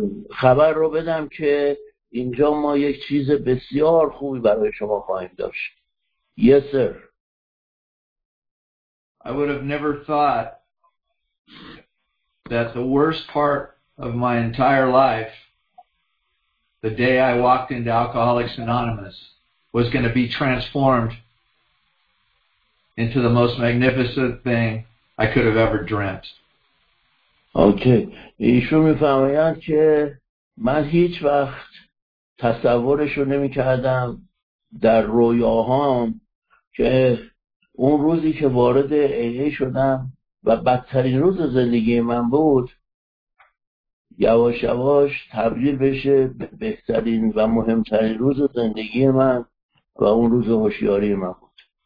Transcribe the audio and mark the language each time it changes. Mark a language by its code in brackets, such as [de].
[fa] خبر رو بدم که اینجا ما یک چیز بسیار خوبی برای شما خواهیم داشت. [en] Yes sir. I would have never thought that the worst part of my entire life, the day I walked into Alcoholics Anonymous, was going to be transformed into the most magnificent thing I could have ever dreamt. Okay. [fa] ایشون میفهمیدن که من هیچ وقت تصورش رو نمی کردم در رویاهام که اون روزی که وارد AA شدم و بدترین روز زندگی من بود، یواش یواش تبدیل بشه به بهترین و مهمترین روز زندگی من و اون روز هوشیاری من بود.